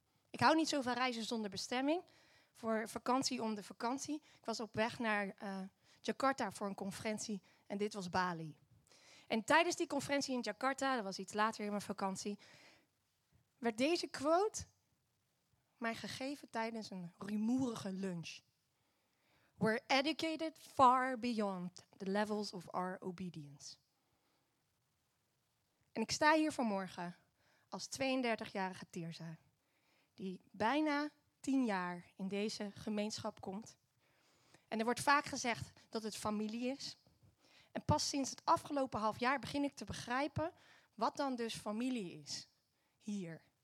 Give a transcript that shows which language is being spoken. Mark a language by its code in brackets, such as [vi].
[nl] Ik hou niet zo van reizen zonder bestemming. Voor vakantie om de vakantie. Ik was op weg naar Jakarta voor een conferentie en dit was Bali. En tijdens die conferentie in Jakarta, dat was iets later in mijn vakantie, werd deze quote mij gegeven tijdens een rumoerige lunch. [en] We're educated far beyond the levels of our obedience. [nl] En ik sta hier vanmorgen als 32-jarige Tirsa, die bijna 10 jaar in deze gemeenschap komt. En er wordt vaak gezegd dat het familie is. En pas sinds het afgelopen half jaar begin ik te begrijpen wat dan dus familie is hier.